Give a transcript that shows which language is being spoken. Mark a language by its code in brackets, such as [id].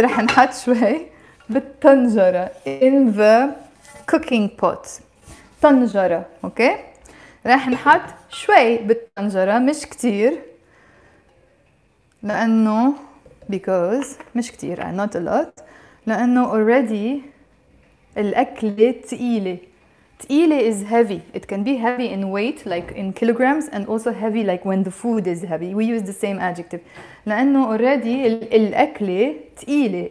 [ar] رح نحط شوي. بالطنجرة. [en] In the cooking pot. [ar] طنجرة. Okay. رح نحط شوي بالطنجرة. مش كتير. لأنه because مش كتير. [en] Not a lot. [ar] لأنه already الأكلة تقيلة. [en] تقيلة is heavy. It can be heavy in weight like in kilograms and also heavy like when the food is heavy. We use the same adjective. [ar] لأنه already الأكلة تقيلة.